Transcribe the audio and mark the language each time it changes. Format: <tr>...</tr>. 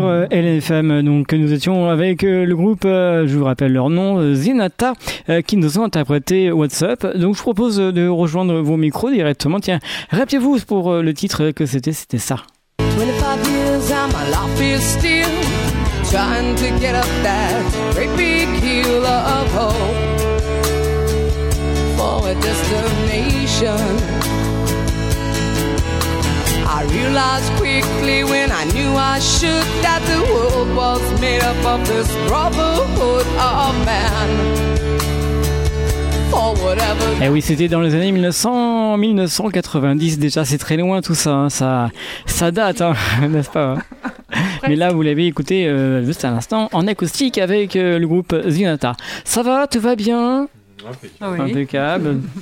<fr>LFM, donc nous étions avec le groupe, je vous rappelle leur nom, Zinata, qui nous ont interprété What's Up. Donc je propose de rejoindre vos micros directement. Tiens, rappelez-vous pour le titre que c'était, c'était ça.</fr> <en>25 years and my life is still trying to get up that great big hill of hope for a destination. I realized quickly when I knew I should that the world was made up of this brotherhood of man. For whatever.</en> <fr>Eh oui, c'était dans les années 1990 déjà, c'est très loin tout ça, hein. ça date, hein, n'est-ce pas? Mais là, vous l'avez écouté juste à l'instant en acoustique avec le groupe Zinata. Ça va, tout va bien? Impeccable.</fr>